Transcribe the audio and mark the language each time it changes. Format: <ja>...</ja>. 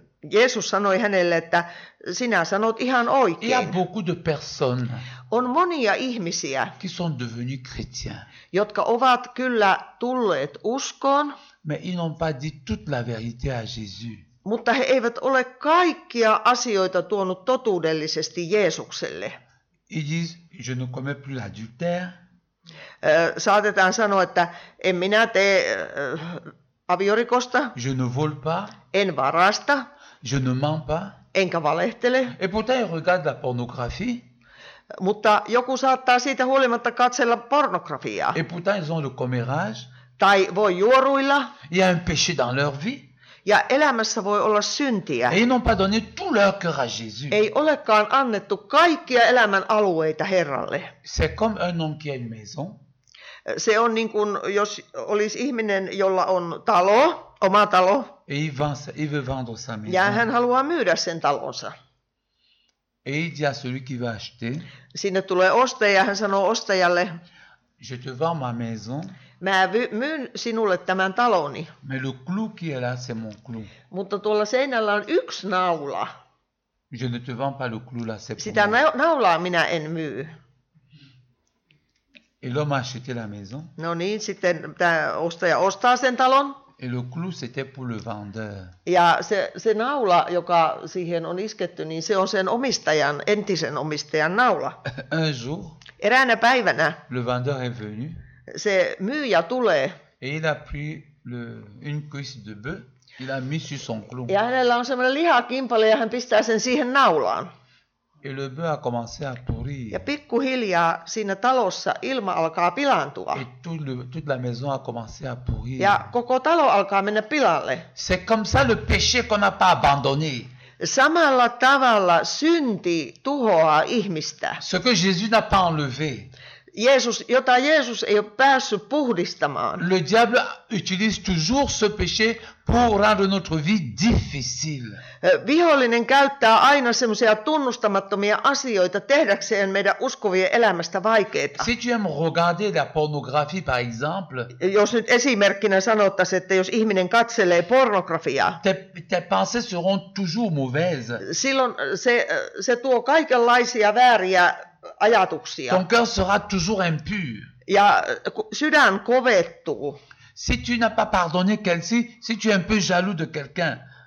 <fi>Jeesus sanoi hänelle, että sinä sanot ihan oikein.</fi> <fr>Il y a beaucoup de personnes.</fr> <fi>On monia ihmisiä,</fi> <fr>qui sont devenus chrétiens,</fr> <fi>jotka ovat kyllä tulleet uskoon,</fi> <fr>mais ils n'ont pas dit toute la vérité à Jésus.</fr> <fi>Mutta he eivät ole kaikkia asioita tuonut totuudellisesti Jeesukselle.</fi> <fr>Ils disent, je ne commets plus l'adultère.</fr> <fi>Saatetaan sanoa, että en minä tee aviorikosta.</fi> <fr>Je ne vole pas.</fr> <fi>En varasta.</fi> <fr>Je ne mens pas.</fr> <fi>Enkä valehtele.</fi> <fr>Et pourtant, ils regardent la pornographie.</fr> <fi>Mutta joku saattaa siitä huolimatta katsella pornografiaa.</fi> <fr>Et pourtant, ils ont le commérage.</fr> <fi>Tai voi juoruilla.</fi> <fr>Il y a un péché dans leur vie.</fr> <fi>Ja elämässä voi olla syntiä.</fi> <fr>Et ils n'ont pas donné tout leur cœur à Jésus.</fr> <fi>Ei olekaan annettu kaikkia elämän alueita Herralle.</fi> <fr>C'est comme un homme qui a une maison.</fr> <fi>Se on niin kuin, jos olisi ihminen, jolla on talo, oma talo.</fi> <fr>Et il veut vendre sa maison.</fr> <fi>Ja hän haluaa myydä sen talonsa.</fi> <fr>Et il dit à celui qui veut acheter.</fr> <fi>Sinne tulee ostaja, hän sanoo ostajalle.</fi> <fr>Je te vends ma maison.</fr> <fi>Mä myyn sinulle tämän taloni.</fi> <fr>Mais le clou qui est là, c'est mon clou.</fr> <fi>Mutta tuolla seinällä on yksi naula.</fi> <fr>Je ne te vends pas le clou là, c'est pour moi.</fr> <fi>Sitä naulaa minä en myy.</fi> <fr>Et l'homme a acheté la maison.</fr> <fi>No niin, sitten tämä ostaja ostaa sen talon.</fi> <fr>Et le clou, c'était pour le vendeur.</fr> <fi>Ja se naula, joka siihen on isketty, niin se on sen omistajan, entisen omistajan naula.</fi> <fr>Un jour.</fr> <fi>Eräänä päivänä.</fi> <fr>Le vendeur est venu.</fr> <fi>Se myyjä tulee.</fi> <fr>Et il a pris une cuisse de bœuf. Il a mis sur son clou.</fr> <fi>Ja hänellä on semmoinen lihakimpale ja hän pistää sen siihen naulaan.</fi> <fr>Et le bœuf a commencé à pourrir.</fr> <fi>Ja pikkuhiljaa siinä talossa ilma alkaa pilaantua.</fi> <fr>Et toute la maison a commencé à pourrir.</fr> <fi>Ja koko talo alkaa mennä pilalle.</fi> <fr>C'est comme ça le péché qu'on n'a pas abandonné.</fr> <fi>Samalla tavalla synti tuhoaa ihmistä.</fi> <fr>Ce que Jésus n'a pas enlevé.</fr> <fi>Jeesus, jota Jeesus ei ole päässyt puhdistamaan.</fi> <fr>Le diable utilise toujours ce péché pour rendre notre vie difficile.</fr> <fi>Vihollinen käyttää aina semmoisia tunnustamattomia asioita tehdäkseen meidän uskovien elämästä vaikeaa.</fi> <fr>Si tu aimes regarder la pornographie par exemple.</fr> <fi>Jos nyt esimerkkinä sanottaisiin, että jos ihminen katselee pornografiaa.</fi> <fr>Tes pensées seront toujours mauvaises.</fr> <fi>Silloin se tuo kaikenlaisia vääriä ajatuksia.</fi> <fr>Ton cœur sera toujours impur.</fr> <fi>Ja sydän kovettuu.</fi> <fr>Si tu n'as pas pardonné quelqu'un, si tu es un peu jaloux de quelqu'un.</fr>